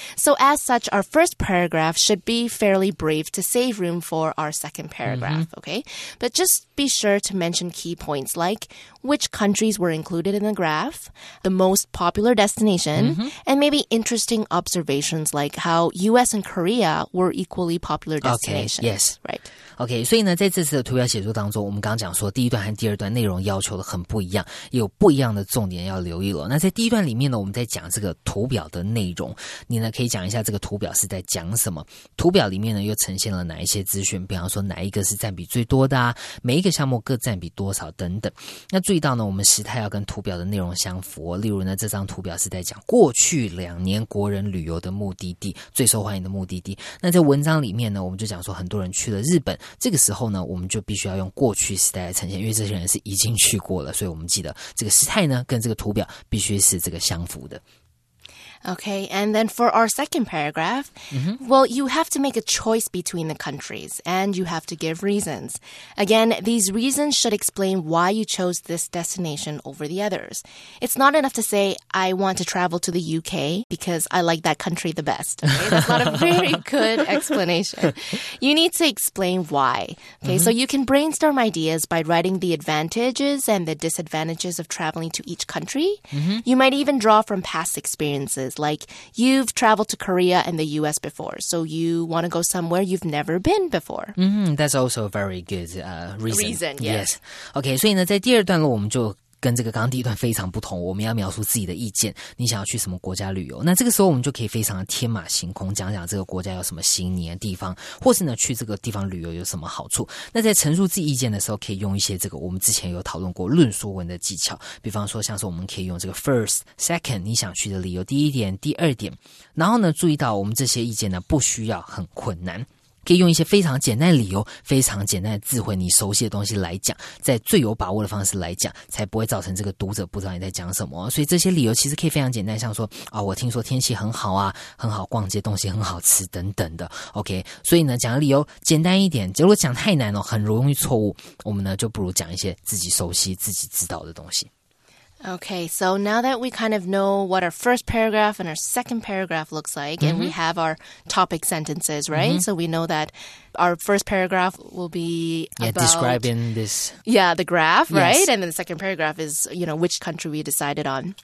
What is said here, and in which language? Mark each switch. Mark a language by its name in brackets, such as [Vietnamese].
[English] So as such, our first paragraph should be fairly brief to save room for our second paragraph, okay? But just be sure to mention key points like which countries were included in the graph, the most popular destination, and maybe interesting observations like how US and Korea were equally popular destinations. Okay, yes. Right. [Chinese] OK, 所以呢在这次的图表写作当中我们刚刚讲说第一段和第二段内容要求的很不一样也有不一样的重点要留意了。那在第一段里面呢我们在讲这个图表的内容你呢可以讲一下这个图表是在讲什么图表里面呢又呈现了哪一些资讯比方说哪一个是占比最多的啊每一个项目各占比多少等等。那注意到呢我们时态要跟图表的内容相符例如呢这张图表是在讲过去两年国人旅游的目的地最受欢迎的目的地。那在文章里面呢我们就讲说很多人去了日本这个时候呢我们就必须要用过去时代来呈现因为这些人是已经去过了所以我们记得这个时态呢跟这个图表必须是这个相符的 [English] Okay, and then for our second paragraph well, you have to make a choice between the countries and you have to give reasons Again, these reasons should explain why you chose this destination over the others It's not enough to say I want to travel to the UK because I like that country the best okay? That's not a very good explanation You need to explain why Okay, so you can brainstorm ideas by writing the advantages and the disadvantages of traveling to each country You might even draw from past experiences Like, you've traveled to Korea and the U.S. before, so you want to go somewhere you've never been before. That's also a very good reason. Reason, yes. [Chinese] Okay, 所以呢，在第二段落我们就跟这个刚刚第一段非常不同，我们要描述自己的意见，你想要去什么国家旅游。那这个时候我们就可以非常的天马行空，讲讲这个国家有什么吸引你的地方，或是呢去这个地方旅游有什么好处。那在陈述自己意见的时候，可以用一些这个我们之前有讨论过论说文的技巧，比方说像是我们可以用这个 [English] first, second, [Chinese] 你想去的理由，第一点、第二点。然后呢，注意到我们这些意见呢不需要很困难。可以用一些非常简单的理由非常简单的智慧你熟悉的东西来讲在最有把握的方式来讲才不会造成这个读者不知道你在讲什么所以这些理由其实可以非常简单像说啊、哦，我听说天气很好啊很好逛街东西很好吃等等的 OK 所以呢讲的理由简单一点结果讲太难了很容易错误我们呢就不如讲一些自己熟悉自己知道的东西 [English] Okay, so now that we kind of know what our first paragraph and our second paragraph looks like, mm-hmm. and we have our topic sentences, right? Mm-hmm. So we know that our first paragraph will be about... describing this... Yeah, the graph, yes. right? And then the second paragraph is, you know, which country we decided on.